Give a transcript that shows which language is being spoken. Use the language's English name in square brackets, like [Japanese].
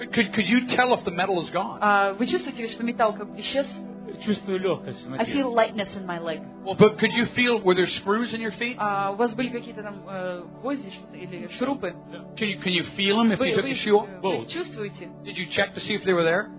[English] Could you tell if the metal is gone? [Russian] Вы чувствуете, что металл как исчез? Чувствую легкость в ноге. [English] I feel lightness in my leg. Well, but could you feel were there screws in your feet? [Russian] У вас были какие-то там гвозди или шурупы? [English] Can you feel them if you took a shoe off? [Russian] Вы чувствуете? [English] Did you check to see if they were there?